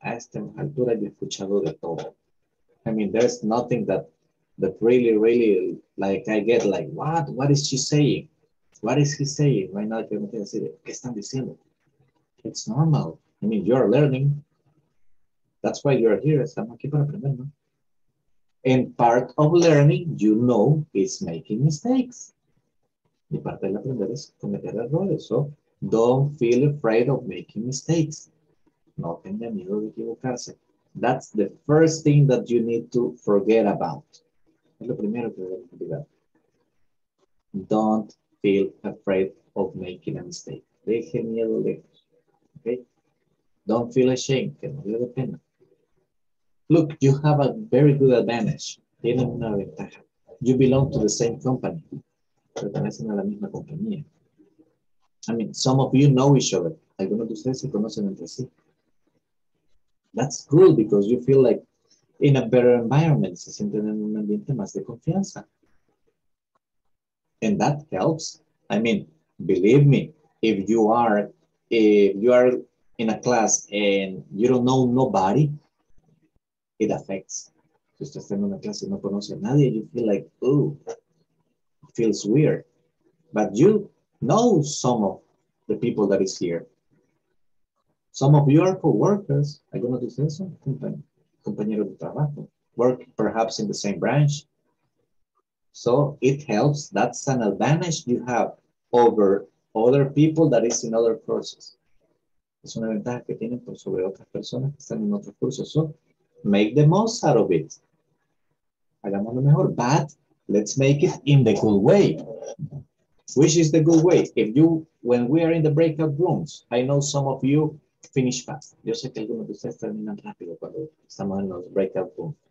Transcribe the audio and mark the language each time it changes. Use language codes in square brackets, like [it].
[es] A esta altura yo he escuchado de todo. [en] I mean, there's nothing that really, really, like, I get like, what? What is she saying? What is he saying? Why not? [es] ¿Qué están diciendo? [en] It's normal. I mean, you're learning. That's why you're here. [es] Estamos aquí para aprender, ¿no? [en] And part of learning, you know, is making mistakes. [es] Y parte del aprender es cometer errores, ¿no? [en] Don't feel afraid of making mistakes. [es] No tenga miedo de equivocarse. [en] That's the first thing that you need to forget about. [es] Es lo primero que debes olvidar. [en] Don't feel afraid of making a mistake. [es] Deje miedo lejos. Okay? [en] Don't feel ashamed. [es] Que no le dé pena. [en] Look, you have a very good advantage. [es] Tienen una ventaja. [en] You belong to the same company. [es] Pertenecen a la misma compañía. [en] I mean, some of you know each other. [es] Algunos de ustedes se conocen entre sí. [en] That's cool because you feel like in a better environment. [es] Se sienten en un ambiente más de confianza. [en] And that helps. I mean, believe me, if you are in a class and you don't know nobody, it affects. [es] Si usted está en una clase y no conoce a nadie, [en] you feel like, ooh, it feels weird. But you know some of the people that is here. Some of you are co-workers. [es] Algunos de ustedes son compañeros. compañeros de trabajo, [en] work perhaps in the same branch. So it helps, that's an advantage you have over other people that is in other courses. [es] Es una ventaja que tienen por sobre otras personas que están en otros cursos. [en] So make the most out of it. [es] Hagamos lo mejor, [en] but let's make it in the good way. Which is the good way? If you, when we are in the breakout rooms, I know some of you finish fast. [es] Yo sé que algunos de ustedes terminan rápido cuando estamos en los breakout rooms.